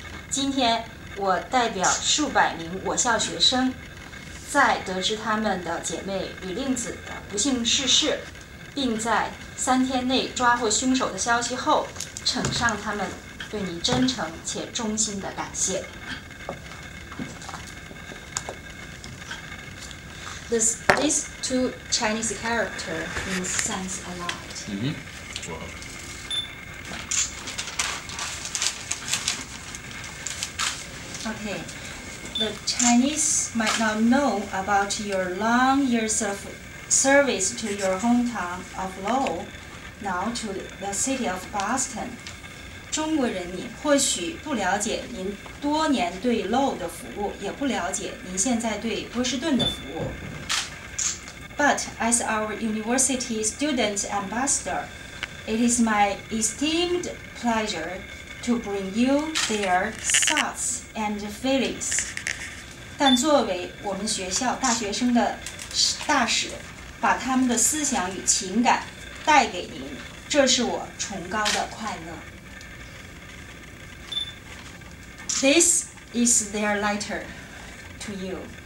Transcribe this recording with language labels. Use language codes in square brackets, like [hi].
[zh] 今天我代表数百名我校学生，在得知他们的姐妹李令子的不幸逝世，并在3天内抓获凶手的消息后，呈上他们对你真诚且衷心的感谢。 [en] These two Chinese character means thanks a lot. Okay, the Chinese might not know about your long years of service to your hometown of Low, now to the city of Boston. [zh] 中国人民或许不了解您多年对 Low 的服务，也不了解您现在对波士顿的服务。 [en] But as our university student ambassador, it is my esteemed pleasure. To bring you their thoughts and feelings. [zh] 但作为我们学校大学生的大使，把他们的思想与情感带给您，这是我崇高的快乐。 [en] This is their letter to you.